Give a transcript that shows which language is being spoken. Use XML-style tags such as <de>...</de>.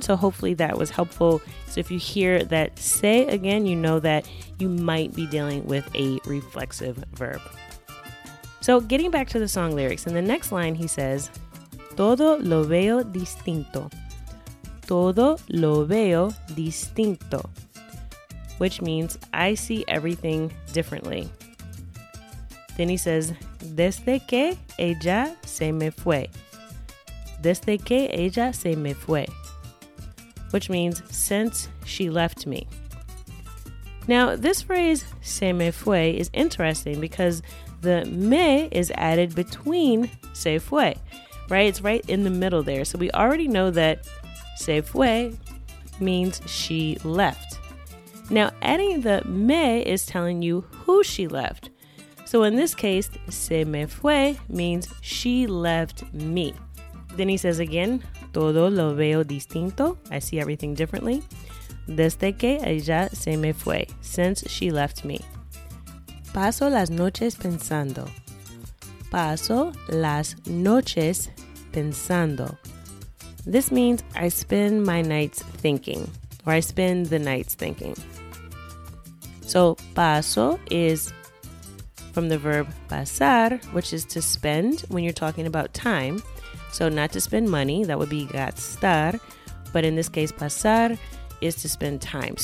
<en>So hopefully that was helpful. So if you hear that say again, you know that you might be dealing with a reflexive verb. So getting back to the song lyrics, in the next line he says,</en> <es>todo lo veo distinto. Todo lo veo distinto,</es> <en>which means I see everything differently. Then he says,</en> <es>desde que ella se me fue. Desde que ella se me fue,</es> <en>which means since she left me. Now, this phrase,</en> <es>se me fue,</es> <en>is interesting because the me is added between</en> <es>se fue,</es> <en>right? It's right in the middle there. So we already know that</en> <es>se fue</es> <en>means she left. Now, adding the me is telling you who she left. So in this case,</en> <es>se me fue</es> <en>means she left me. Then he says again,</en> <es>todo lo veo distinto.</es> <en>I see everything differently.</en> <es>Desde que ella se me fue,</es> <en>since she left me.</en> <es>Paso las noches pensando. Paso las noches pensando.</es> <en>This means I spend my nights thinking, or I spend the nights thinking. So paso is from the verb pasar, which is to spend when you're talking about time. So not to spend money, that would be gastar, but in this case pasar is to spend time.</en>